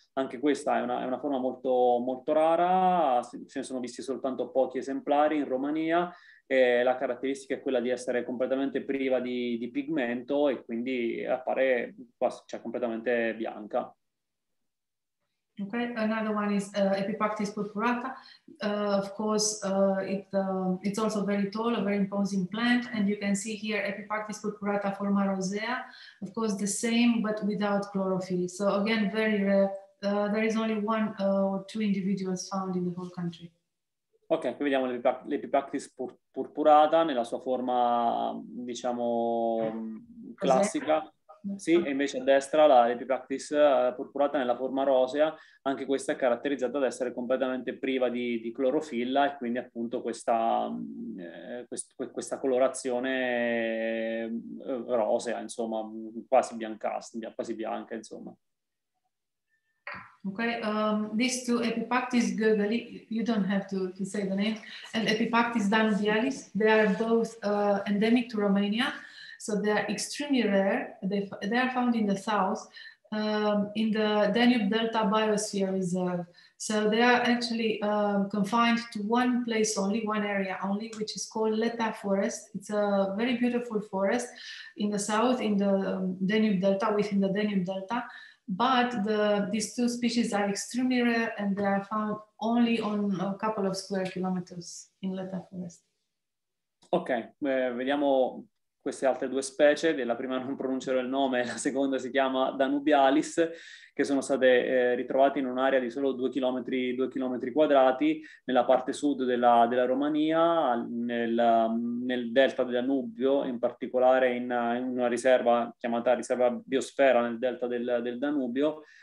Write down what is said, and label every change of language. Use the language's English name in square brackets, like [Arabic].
[Italian] Anche questa è una forma molto, molto rara, se ne sono visti soltanto pochi esemplari in Romania. La caratteristica è quella di essere completamente priva di pigmento, e quindi appare quasi, cioè, completamente bianca. [English] Okay, another one is Epipactis purpurata. Of course, it's also very tall, a very imposing plant, and you can see here Epipactis purpurata forma rosea. Of course, the same, but without chlorophyll. So again, very rare. There is only one or two individuals found in the whole country. [Italian] Ok, qui vediamo l'Epipactis purpurata nella sua forma, diciamo, classica. Sì, e invece a destra l'Epipactis purpurata nella forma rosea, anche questa è caratterizzata ad essere completamente priva di clorofilla, e quindi appunto questa colorazione rosea, insomma, quasi biancastra, quasi bianca, insomma. [English] Okay, these two Epipactis gurgly, you don't have to say the name, and Epipactis danubialis, they are both endemic to Romania. So they are extremely rare. They are found in the south, in the Danube Delta Biosphere Reserve. So they are actually confined to one place only, one area only, which is called Leta Forest. It's a very beautiful forest in the south, in the Danube Delta, within the Danube Delta. But these two species are extremely rare, and they are found only on a couple of square kilometers in Leta Forest. [Italian] Okay, vediamo queste altre due specie. Della prima non pronuncerò il nome, la seconda si chiama Danubialis, che sono state ritrovate in un'area di solo 2 chilometri quadrati, nella parte sud della Romania, nel delta del Danubio, in particolare in una riserva chiamata riserva biosfera nel delta del Danubio,